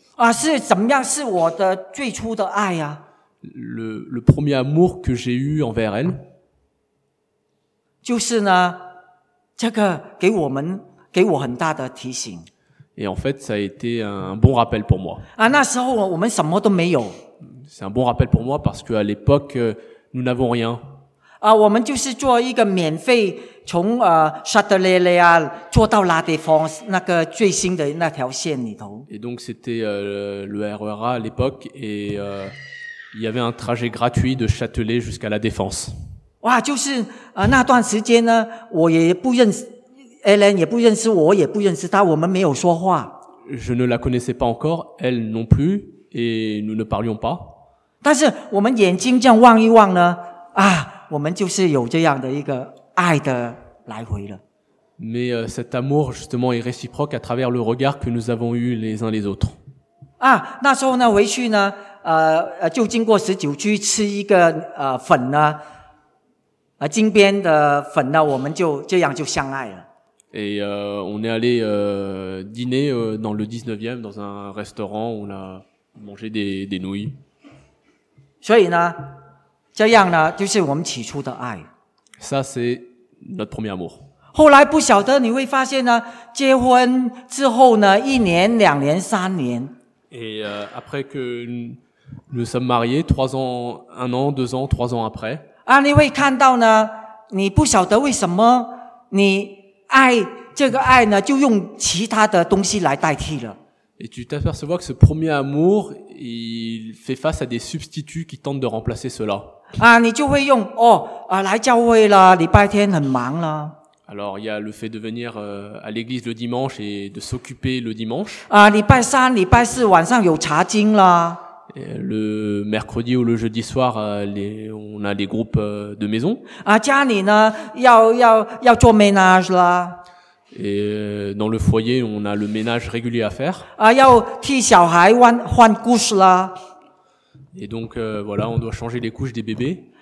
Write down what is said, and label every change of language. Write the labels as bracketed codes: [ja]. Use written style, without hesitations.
[zh] 啊，是怎么样？是我的最初的爱啊。 [fr] Le premier amour que j'ai eu envers elle. [zh] 就是呢。这个给我们给我很大的提醒。 [fr] Et en fait, ça a été un bon rappel pour moi. [zh] 啊，那时候我们什么都没有。 [fr] C'est un bon rappel pour moi parce qu'à l'époque, nous n'avons rien. [zh] 啊，我们就是坐一个免费从Châtelet-Léa坐到La Défense那个最新的那条线里头。 [fr] Et donc c'était le RER à l'époque et il y avait un trajet gratuit de Châtelet jusqu'à La Défense. [zh] 哇，就是那段时间呢，我也不认识 Ellen， 也不认识我，也不认识他，我们没有说话。 [fr] Je ne la connaissais pas encore, elle non plus, et nous ne parlions pas. [zh] 但是我们眼睛这样望一望呢，啊，我们就是有这样的一个爱的来回了。 [fr] Mais cet amour justement est réciproque à travers le regard que nous avons eu les uns les autres. [zh] 啊，那时候呢，回去呢，就经过十九区吃一个粉呢。金边的粉呢，我们就这样就相爱了。 [fr] Et on est allé dîner dans le 19e, dans un restaurant où on a mangé des nouilles. [zh] 所以呢，这样呢，就是我们起初的爱。 [fr] Ça, c'est notre premier amour. [zh] 后来不晓得你会发现呢，结婚之后呢，一年、两年、三年。 [fr] Et après que nous sommes mariés, trois ans, un an, deux ans, trois ans après, [zh] 啊，你会看到呢，你不晓得为什么你爱这个爱呢，就用其他的东西来代替了。 [fr] Et tu t'apercevois que ce premier amour, il fait face à des substituts qui tentent de remplacer cela. [zh] 啊，你就会用哦，啊，来教会了，礼拜天很忙了。 [fr] Alors, il y a le fait de venir à l'église le dimanche et de s'occuper le dimanche. [zh] 啊，礼拜三、礼拜四晚上有查经了。 [fr] Le mercredi ou le jeudi soir, on a des groupes de maison. [zh] 啊，家里呢要做 ménage 啦。 [fr] Et dans le foyer, on a le ménage régulier à faire. [zh] 啊，要替小孩换 couche 啦。 [fr] Et donc voilà, on doit changer les couches des bébés.